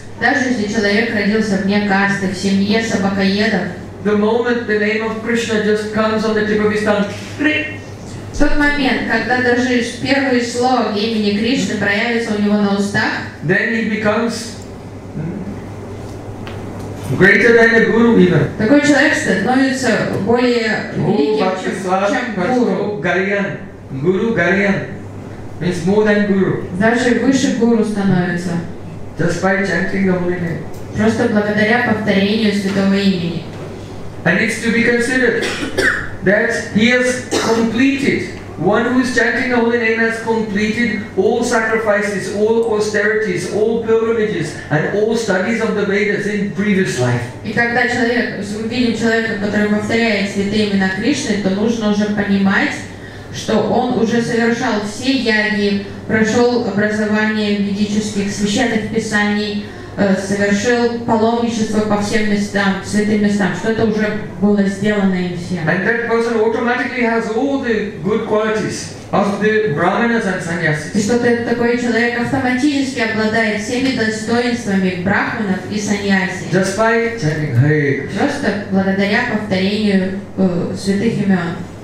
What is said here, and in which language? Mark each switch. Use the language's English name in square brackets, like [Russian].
[Russian] даже если человек родился вне касты, в семье собакоедов, [English] the moment the name of Krishna just comes on the tip of his tongue, [Russian] в тот момент, когда даже первые слова имени Кришны проявятся у него на устах, [English] then he becomes greater than a guru even. [Russian] Такой человек становится более великим, чем гуру. [English] Гарьян. Guru Гарьян. Means more than guru. [Russian] Даже выше гуру становится. [English] Just by chanting the holy name. [Russian] Просто благодаря повторению святого имени. [English] And it's to be considered that he has completed. One who is chanting the holy name has completed all sacrifices, all austerities, all pilgrimages, and all studies of the Vedas in previous life. [Russian] И когда человек, видим человека, который повторяет святые имена Кришны, то нужно уже понимать, что он уже совершал все яги, прошел образование ведических священных писаний, совершил паломничество по всем местам, святым местам, что это уже было сделано им всем. [English] And that person automatically has all the good qualities of the brahmanas and sannyasis. [Russian] И что такой человек автоматически обладает всеми достоинствами брахманов и саньяси. [English] Just by chanting Hare Krishna. [Russian] Просто благодаря повторению святых имен.